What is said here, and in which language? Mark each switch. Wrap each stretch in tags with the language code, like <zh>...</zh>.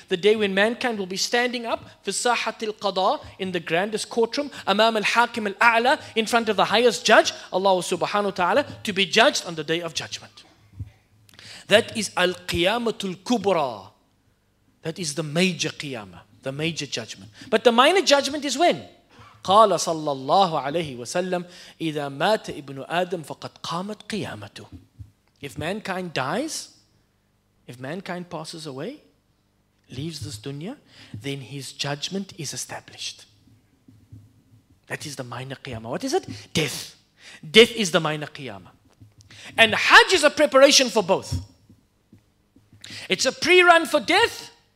<en>The day when mankind will be standing up</en> <ar>في ساحة القضاء,</ar> <en>in the grandest courtroom,</en> <ar>أمام الحاكم الأعلى,</ar> <en>in front of the highest judge, Allah subhanahu wa ta'ala, to be judged on the day of judgment. That is al-qiyamatu al-kubra. That is the major qiyamah. The major judgment. But the minor judgment is when?</en> <ar>قال صلى الله عليه وسلم إذا مات ابن آدم فقد قامت قيامته.</ar> <en>If mankind dies, if mankind passes away, leaves this dunya, then his judgment is established. That is the minor qiyamah. What is it? Death. Death is the minor qiyamah. And Hajj is a preparation for both. It's a pre-run for death.</en>